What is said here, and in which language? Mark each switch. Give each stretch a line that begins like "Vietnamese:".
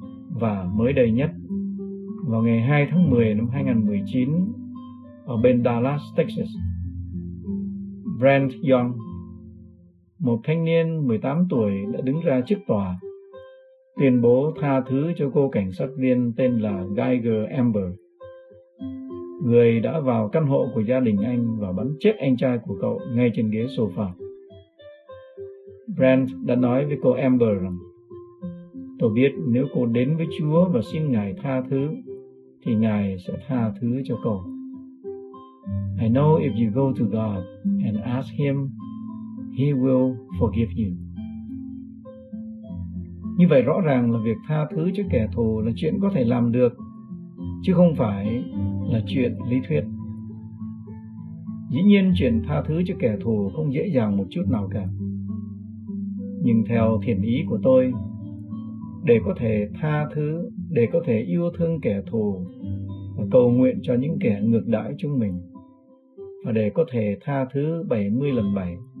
Vietnamese: Và mới đây nhất, vào ngày 2 tháng 10 năm 2019, ở bên Dallas, Texas, Brent Young, một thanh niên 18 tuổi đã đứng ra trước tòa, tuyên bố tha thứ cho cô cảnh sát viên tên là Geiger Amber, người đã vào căn hộ của gia đình anh và bắn chết anh trai của cậu ngay trên ghế sofa. Brent đã nói với cô Amber rằng: tôi biết nếu cô đến với Chúa và xin Ngài tha thứ, thì Ngài sẽ tha thứ cho cô.
English: I know if you go to God and ask Him, He will forgive you.
Vietnamese: Như vậy rõ ràng là việc tha thứ cho kẻ thù là chuyện có thể làm được, chứ không phải là chuyện lý thuyết. Dĩ nhiên chuyện tha thứ cho kẻ thù không dễ dàng một chút nào cả. Nhưng theo thiện ý của tôi, để có thể tha thứ, để có thể yêu thương kẻ thù và cầu nguyện cho những kẻ ngược đãi chúng mình, và để có thể tha thứ 70 lần 7,